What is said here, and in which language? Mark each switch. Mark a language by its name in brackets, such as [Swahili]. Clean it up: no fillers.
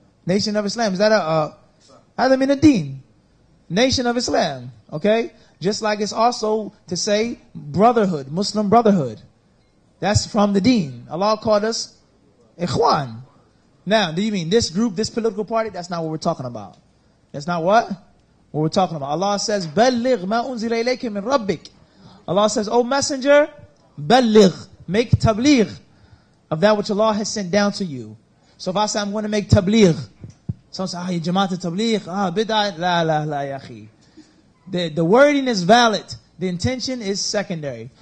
[English] Nation of Islam, is that a halal min ad-deen? Nation of Islam, okay? Just like it's also to say brotherhood, Muslim brotherhood. That's from the deen. Allah called us ikhwan. Now, do you mean this group, this political party? That's not what we're talking about. That's not what? What we're talking about. Allah says, [Arabic] بَلِّغْ مَا أُنزِلَ إِلَيْكَ مِنْ رَبِّكَ. [English] Allah says, O messenger, بَلِّغْ, make tabligh of that which Allah has sent down to you. So if I say I'm going to make tabligh, some say, ya jamaat tabligh, bid'ah, la la la ya akhi. The wording is valid, the intention is secondary.